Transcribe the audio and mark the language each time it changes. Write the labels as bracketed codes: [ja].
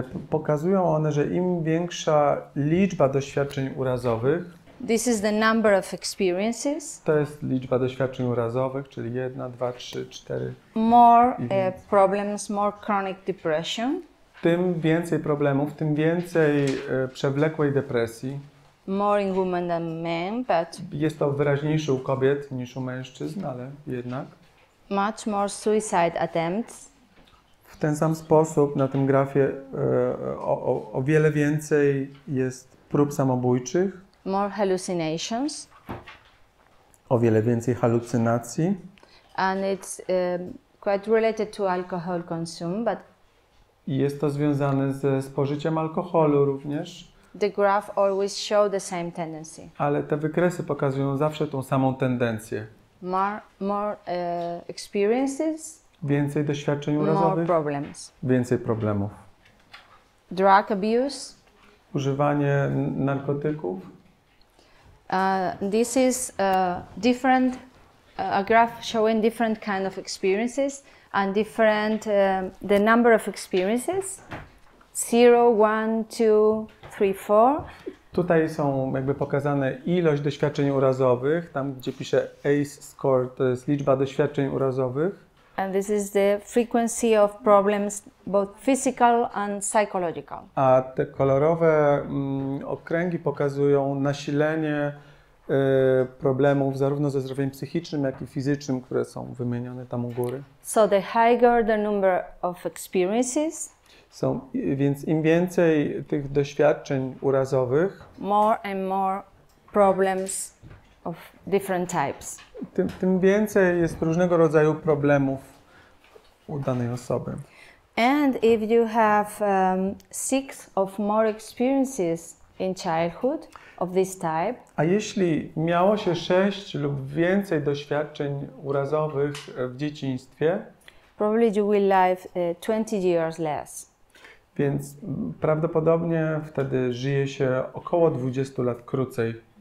[pl] Pokazują one, że im większa liczba doświadczeń urazowych. [en] This is the number of experiences. [pl] To jest liczba doświadczeń urazowych, czyli 1, 2, 3, 4. [en] More problems, more chronic depression. [pl] Tym więcej problemów, tym więcej przewlekłej depresji. [en] More in women than men, but [pl] jest to wyraźniejsze u kobiet niż u mężczyzn, ale jednak. [en] Much more suicide attempts. [pl] W ten sam sposób na tym grafie o wiele więcej jest prób samobójczych. [en] More hallucinations. [pl] O wiele więcej halucynacji. [en] And it's quite related to alcohol consumption, but [pl] jest to związane ze spożyciem alkoholu również. [en] The graph always show the same tendency. [pl] Ale te wykresy pokazują zawsze tą samą tendencję. [en] More experiences. [pl] Więcej doświadczeń urazowych. [en] More problems. [pl] Więcej problemów. [en] Drug abuse. [pl] Używanie narkotyków. [en] This is a graph showing different kind of experiences and different the number of experiences 0 1 2 3 4. [pl] Tutaj są jakby pokazane ilość doświadczeń urazowych, tam gdzie pisze ACE score, to jest liczba doświadczeń urazowych. [en] And this is the frequency of problems, both physical and psychological. [pl] A te kolorowe okręgi pokazują nasilenie problemów zarówno ze zdrowiem psychicznym, jak i fizycznym, które są wymienione tam u góry. [en] So the higher the number of experiences. [pl] So, więc im więcej tych doświadczeń urazowych. [en] More and more problems of different types. [pl] Tym więcej jest różnego rodzaju problemów u danej osoby. [en] And if you have six of more experiences in childhood of this type. [pl] A jeśli miało się 6 lub więcej doświadczeń urazowych w dzieciństwie, [en] probably you will live 20 years less. [pl] Więc prawdopodobnie wtedy żyje się około 20 lat krócej.